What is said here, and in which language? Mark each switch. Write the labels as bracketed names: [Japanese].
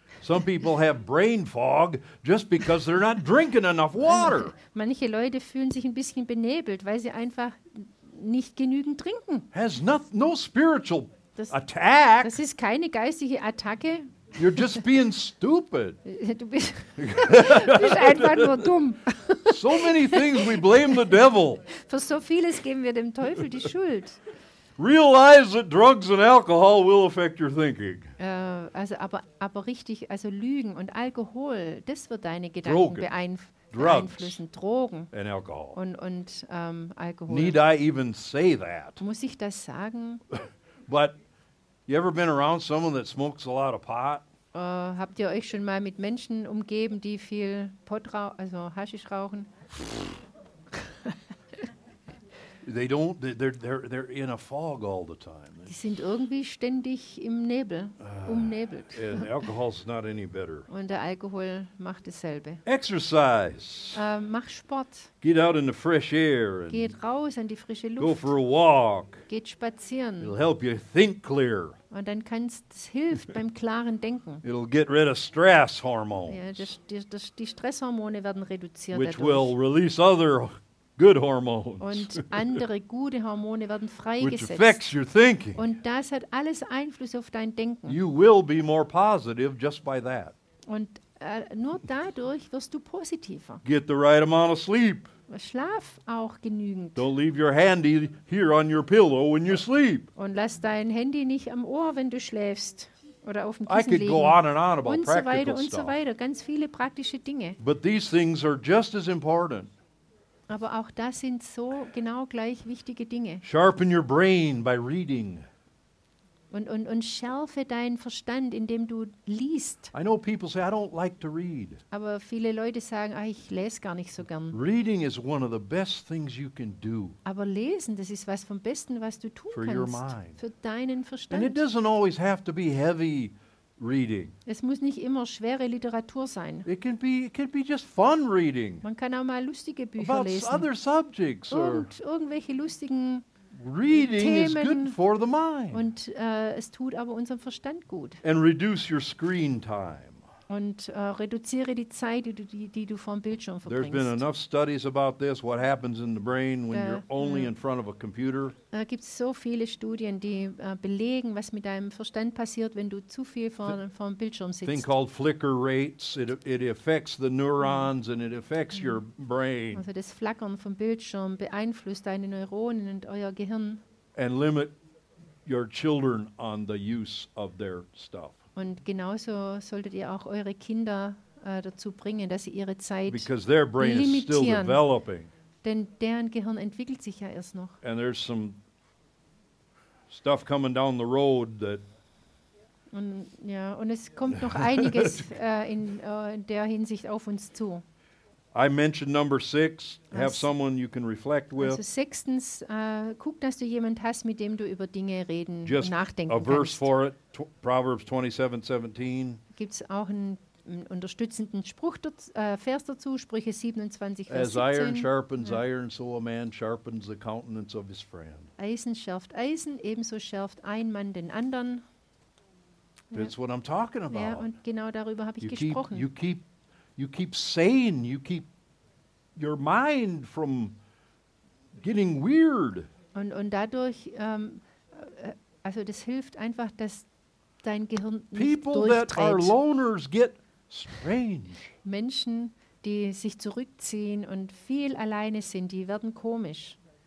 [English] Some people have brain fog just because they're not drinking enough water. [German] Manche Leute fühlen sich ein bisschen benebelt, weil sie einfach nicht genügend trinken. [English] Has no spiritual attack. [German] Das ist keine geistige Attacke. [English] You're just being stupid. [German] Du bist einfach nur dumm. [English] So many things we blame the devil. [German] Für so vieles geben wir dem Teufel die Schuld. [English] Realize that drugs and alcohol will affect your thinking. [German] Aber richtig, also Lügen und Alkohol, das wird deine Gedanken beeinflussen. Drogen [English] and alcohol. [German] Und Alkohol. [English] Need I even say that? [German] Muss ich das sagen? [English] But you ever been around someone that smokes a lot of pot? [German] Habt ihr euch schon mal mit Menschen umgeben, die viel Pot also Haschisch rauchen? [English] They don't. They're in a fog all the time. [German] Die sind irgendwie ständig im Nebel, umnebelt. [English] And alcohol's not any better. [German] Und der Alkohol macht dasselbe. [English] Exercise. [German] Mach Sport. [English] Get out in the fresh air. [German] Geht raus an die frische Luft. [English] Go for a walk. [German] Geht spazieren. [English] It'll help you think clear. [German] Und dann hilft beim klaren Denken. [English] It'll get rid of stress hormones. [German] Ja, die Stresshormone werden reduziert. [English] Which [German] dadurch [English] will release other good hormones. [German] Und andere gute Hormone werden freigesetzt. [English] Which affects your thinking. [German] Und das hat alles Einfluss auf dein Denken. [English] You will be more positive just by that. [German] Und nur dadurch wirst du positiver. [English] Get the right amount of sleep. [German] Schlaf auch genügend. [English] Don't leave your handy here on your pillow when you sleep. [German] Und lass dein Handy nicht am Ohr, wenn du schläfst. Oder auf dem Kissen [English] I could [German] legen. [English] Go on and on about [German] und [English] practical [German] so weiter und [English] stuff. [German] So weiter. Ganz viele praktische Dinge. [English] But these things are just as important. [German] Aber auch das sind so genau gleich wichtige Dinge. [English] Sharpen your brain by reading. [German] Und schärfe deinen Verstand, indem du liest. [English] I know people say, I don't like to read. [German] Aber viele Leute sagen, ich lese gar nicht so gern. [English] Reading is one of the best things you can do. [German] Aber lesen, das ist was vom Besten, was du tun [English] for [German] kannst. [English] Your mind. [German] Für deinen Verstand. [English] And it doesn't always have to be heavy reading. [German] Es muss nicht immer schwere Literatur sein. [English] It can be just fun reading. [German] Man kann auch mal lustige Bücher [English] about [German] lesen. [English] About other subjects or [German] und irgendwelche lustigen [English] reading [German] Themen. [English] Reading is good for the mind. [German] Und es tut aber unserem Verstand gut. [English] And reduce your screen time. [German] Und reduziere die Zeit, die du vor dem Bildschirm verbringst. [English] There's been enough studies about this. What happens in the brain when you're only in front of a computer? [German] Da gibt es so viele Studien, die belegen, was mit deinem Verstand passiert, wenn du zu viel vor dem Bildschirm sitzt. [English] Thing called flicker rates. It affects the neurons and it affects your brain. [German] Also das Flackern vom Bildschirm beeinflusst deine Neuronen und euer Gehirn. [English] And limit your children on the use of their stuff. [German] Und genauso solltet ihr auch eure Kinder dazu bringen, dass sie ihre Zeit [English] because their brain [German] limitieren. [English] Is still developing. [German] Denn deren Gehirn entwickelt sich ja erst noch. [English] And there's some stuff coming down the road that [German] und ja, und es kommt noch einiges in der Hinsicht auf uns zu. [English] I mentioned number six. Have someone you can reflect with. [German] Also sechstens, guck, dass du jemand hast, mit dem du über Dinge reden [English] just [German] und nachdenken [English] a [German] kannst. [English] A verse for it. Proverbs 27:17. [German] Gibt's auch einen unterstützenden Spruch Vers dazu? Sprüche 27, Vers 17. [English] As iron sharpens iron, so a man sharpens the countenance of his friend. [German] Eisen schärft Eisen, ebenso schärft ein Mann den anderen. [English] That's what I'm talking about. [German] Ja, und genau darüber habe ich gesprochen. [English] You keep saying, you keep your mind from getting weird. [German] Und dadurch, also das hilft einfach, dass dein Gehirn nicht durchdreht. [English] People that are loners get strange. [German] Menschen, die sich zurückziehen und viel alleine sind, die werden komisch.